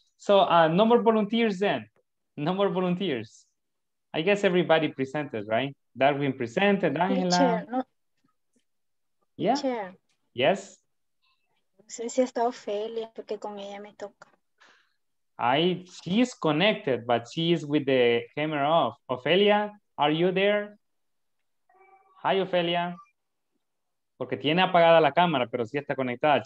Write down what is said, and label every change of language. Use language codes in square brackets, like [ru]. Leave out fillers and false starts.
[en] So no more volunteers then. No more volunteers. I guess everybody presented, right? Darwin presented, Angela. Teacher, no. Yeah. Teacher. Yes. [es] No sé si está Ophelia, porque con ella me toca. [en] She's connected, but she is with the camera off. Ophelia, are you there? Hi, Ophelia. [es] Porque tiene apagada la cámara, pero sí está conectada.